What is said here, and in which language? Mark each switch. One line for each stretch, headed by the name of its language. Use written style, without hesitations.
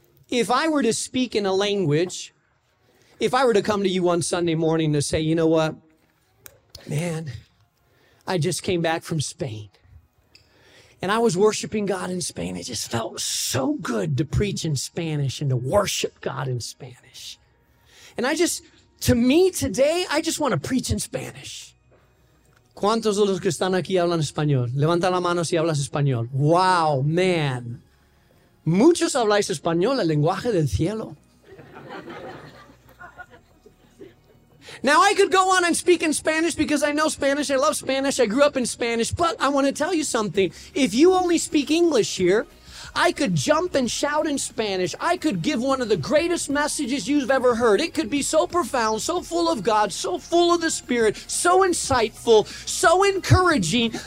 English: If I were to speak in a language, if I were to come to you one Sunday morning to say, you know what, man, I just came back from Spain and I was worshiping God in Spain. It just felt so good to preach in Spanish and to worship God in Spanish. And I just, to me today, I just want to preach in Spanish.
Spanish: ¿Cuántos de los que están aquí hablan español? Levanta la mano si hablas español.
English: Wow, man.
Spanish: Muchos habláis español, el lenguaje del cielo.
English: Now, I could go on and speak in Spanish because I know Spanish. I love Spanish. I grew up in Spanish. But I want to tell you something. If you only speak English here, I could jump and shout in Spanish. I could give one of the greatest messages you've ever heard. It could be so profound, so full of God, so full of the Spirit, so insightful, so encouraging.